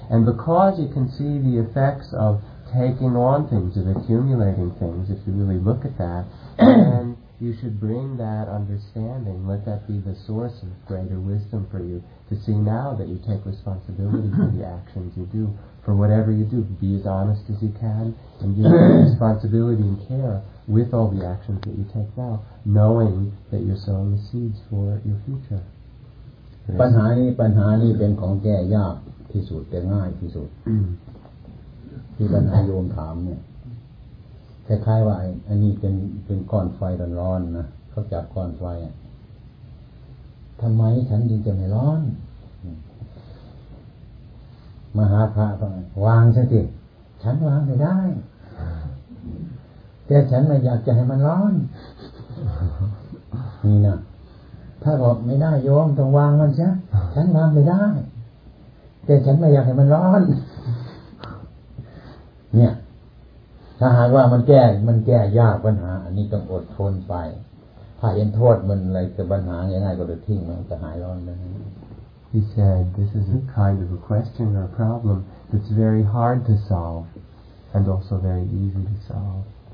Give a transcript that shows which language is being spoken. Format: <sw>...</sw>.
<en>And because you can see the effects of taking on things, of accumulating things, if you really look at that, then you should bring that understanding, let that be the source of greater wisdom for you, to see now that you take responsibility for the actions you do, for whatever you do. Be as honest as you can, and give responsibility and care with all the actions that you take now, knowing that you're sowing the seeds for your future.</en> <th>ปัญหานี้เป็นของแก้ยากที่สุดแต่ง่ายที่สุดที่ปัญหาโยมถามเนี่ยคล้ายๆว่าอันนี้เป็นก้อนไฟร้อนๆนะเขาจับก้อนไฟทำไมฉันจึงจะไม่ร้อน มหาพระวางซะสิฉันวางไม่ได้แต่ฉันไม่อยากจะให้มันร้อนนี่นะถ้าบอกไม่ได้โยมต้องวางมันซะฉันวางไม่ได้แต่ฉันไม่อยากให้มันร้อนเนี่ยถ้าหากว่ามันแก้ยากปัญหาอันนี้ต้องอดทนไปถ้าเห็นโทษมันอะไรจะปัญหาง่ายๆก็จะทิ้งมันจะหายร้อนได้</th> <en>He said this is a kind of a question or a problem that's very hard to solve and also very easy to solve.</en>